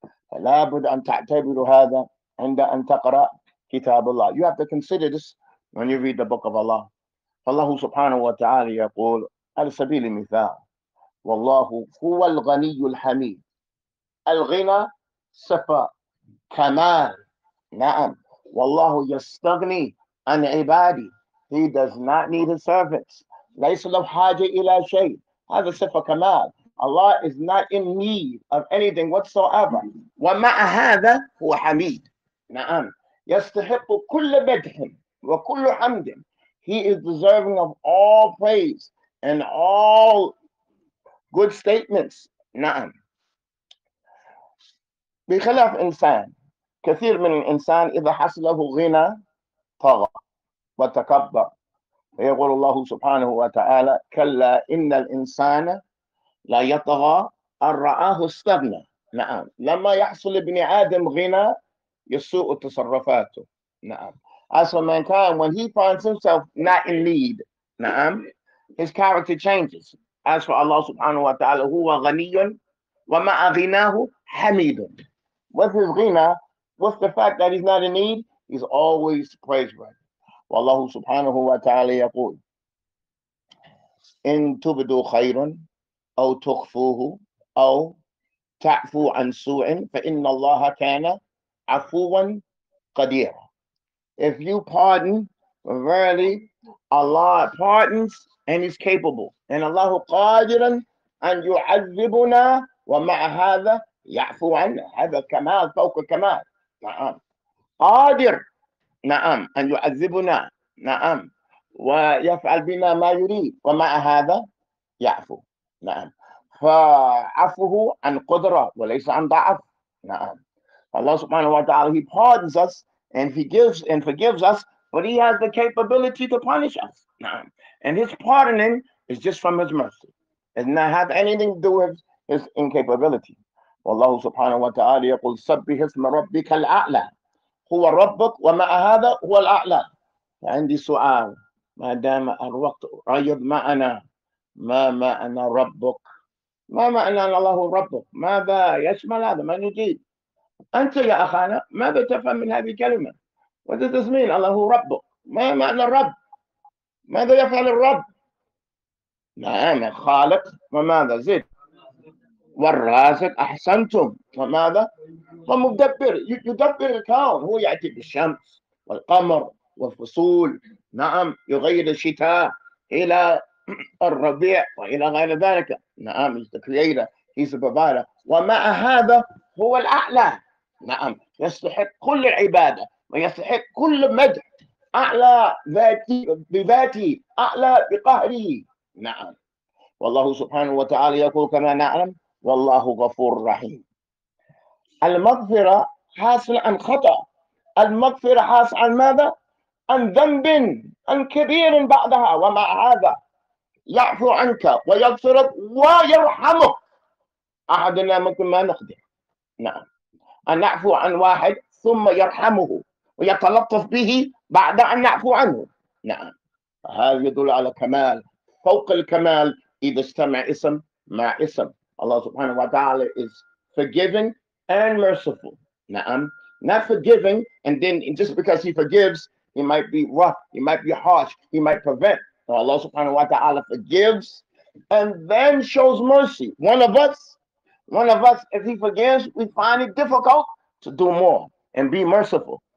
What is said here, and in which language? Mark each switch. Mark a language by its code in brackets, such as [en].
[ar] فلا بد أن تعتبر هذا عند أن تقرأ كتاب الله. [en] You have to consider this when you read the book of Allah. [ar] فالله سبحانه وتعالى يقول على سبيل المثال: والله هو الغني الحميد. الغنى صفة كمال. نعم، والله يستغني عن عبادي. [en] He does not need his servants. [ar] ليس له حاجة إلى شيء. هذا صفة كمال. [en] Allah is not in need of anything whatsoever. [ar] ومع هذا هو حميد. نعم، يستحق كل مدح وكل حمد. [en] He is deserving of all praise and all good statements. [ar] نعم، بخلاف إنسان. كثير من الإنسان إذا حصله غنى طغى وتكبر، فيقول الله سبحانه وتعالى: كلا إن الإنسان لا يطغى أن رآه استغنى. نعم، لما يحصل ابن آدم غنى يسوء تصرفاته. [en] نعم، as for mankind, when he finds himself not in need, نعم، his character changes. As for Allah subhanahu wa ta'ala, [ar] هو غني ومع غناه حميد. [en] With his ghina, with the fact that he's not in need, he's always praiseworthy. [ar] والله سبحانه وتعالى يقول: إن تبدو خيرا أو تخفوه أو تعفو عن سوء فإن الله كان عفواً قدير. [en] If you pardon, verily Allah pardons and is capable. And Allah [ar] قادر أن يعذبنا ومع هذا يعفو عنه، هذا كمال فوق كمال. نعم قادر، نعم أن يعذبنا، نعم ويفعل بنا ما يريد، ومع هذا يعفو. نعم فعفوه عن قدرة وليس عن ضعف. [en] نعم [ar] الله سبحانه وتعالى [en] he pardons us and he gives and forgives us, but he has the capability to punish us. نعم and his pardoning is just from his mercy. It doesn't have anything to do with his incapability. [ar] والله سبحانه وتعالى يقول سبح اسم ربك الأعلى، هو ربك ومع هذا هو الأعلى. عندي سؤال، ما دام الوقت قريب معنا، ما معنى ربك؟ ما معنى الله ربك؟ ماذا يشمل هذا؟ من يجيب؟ أنت يا أخانا ماذا تفهم من هذه الكلمة؟ ماذا تسمين الله ربك؟ ما معنى الرب؟ ماذا يفعل الرب؟ نعم خالق وماذا زيد والرازق أحسنتم وماذا؟ ومدبر، يدبر الكون، هو يأتي بالشمس والقمر والفصول، نعم يغير الشتاء إلى الربيع وإلى غير ذلك. [en] نعم he's the creator, he's the provider. [ar] ومع هذا هو الأعلى، نعم يستحق كل العبادة ويستحق كل مدح، أعلى ذاتي بذاتي، أعلى بقهري. نعم والله سبحانه وتعالى يقول كما نعلم والله غفور رحيم. المغفرة حاصل عن خطأ، المغفرة حاصل عن ماذا؟ عن ذنب عن كبير بعدها، ومع هذا يعفو عنك ويغفرك ويرحمك. أحدنا ممكن ما نقدر، نعم أن نعفو عن واحد ثم يرحمه ويتلطف به بعد أن نعفو عنه. نعم هذا يدل على كمال فوق الكمال إذا استمع اسم مع اسم. [en] Allah subhanahu wa ta'ala is forgiving and merciful. Na'am. Not forgiving, and then just because he forgives, he might be rough, he might be harsh, he might prevent. So Allah subhanahu wa ta'ala forgives and then shows mercy. One of us, if he forgives, we find it difficult to do more and be merciful.